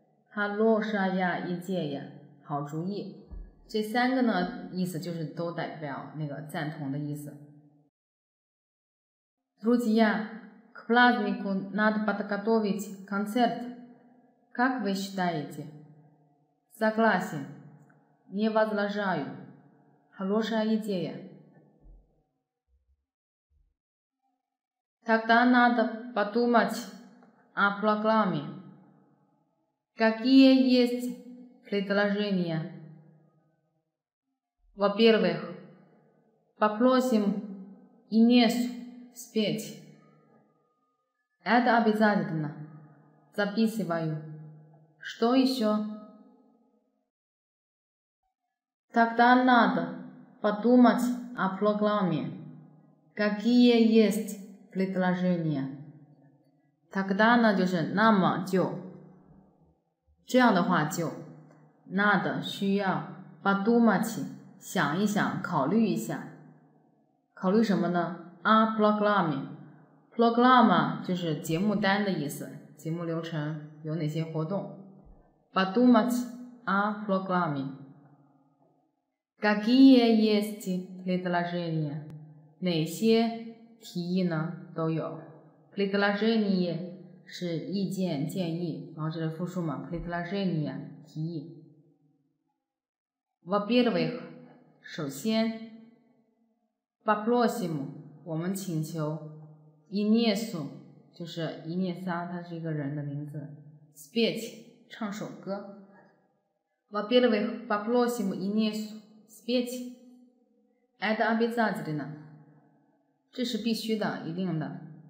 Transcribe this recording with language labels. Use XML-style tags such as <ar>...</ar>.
<ru>хорошая идея,</ru> <zh>好主意。这三个呢，意思就是都代表那个赞同的意思。</zh> <ru>Друзья, к празднику надо подготовить концерт. Как вы считаете? Согласен. Не возражаю. Хорошая идея. Тогда надо подумать. А программе. Какие есть предложения? Во-первых, попросим Инессу спеть. Это обязательно. Записываю. Что еще? Тогда надо подумать о программе. Какие есть предложения?</ru> <zh>Тогда 呢就是那么就这样的话就那的需要把肚马起想一想考虑一下考虑什么呢啊 program program 就是节目单的意思节目流程有哪些活动把肚马起啊 program</zh> <ru>какие есть предложения</ru> <zh>哪些提议呢都有</zh> <ru>предложения</ru> <zh>是意见建议然后这是复数嘛 предложение 提议</zh> <ru>во-первых</ru> <zh>首先</zh> <ru>попросим</ru> <zh>我们请求 Инессу 就是 Инесса 它是一个人的名字</zh> <ru>спеть</ru> <zh>唱首歌</zh> <ru>во-первых попросим Инессу спеть это обязательно</ru> <zh>这是必须的一定的</zh>